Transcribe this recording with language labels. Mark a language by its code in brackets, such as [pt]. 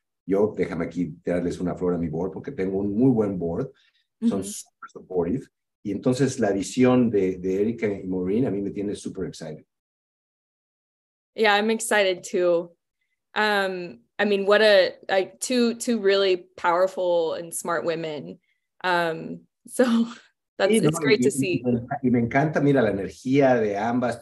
[es] Yo, déjame aquí darles una flor a mi board porque tengo un muy buen board. Son [en] super supportive. [es] Y entonces la visión de Erika y Maureen a mí me tiene [en] super excited. Yeah, I'm excited too. I mean, what a, like, two really powerful and smart women. So that's, [es] sí, [en] it's no, great [es] y, [en] to see. [es] Y me encanta, mira, la energía de ambas.